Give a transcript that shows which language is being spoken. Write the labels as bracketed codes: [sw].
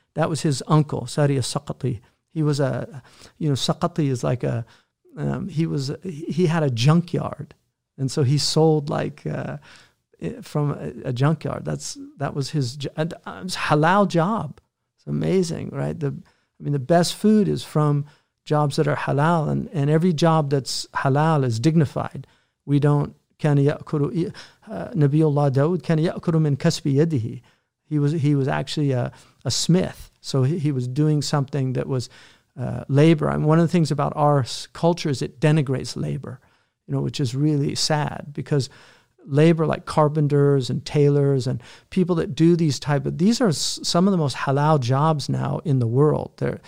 [en] That was his uncle, Sari al-Saqati. He was a, you know, Saqati is like a, he had a junkyard. And so he sold like from a junkyard. That was his halal job. It's amazing, right? The best food is from jobs that are halal. And every job that's halal is dignified. We don't, [ar] كان يأكل Nabiullah Dawood كان يأكل من كسب يده. [en] He was actually a smith. So he was doing something that was labor. I mean, one of the things about our culture is it denigrates labor, you know, which is really sad because labor like carpenters and tailors and people that do these are some of the most halal jobs now in the world.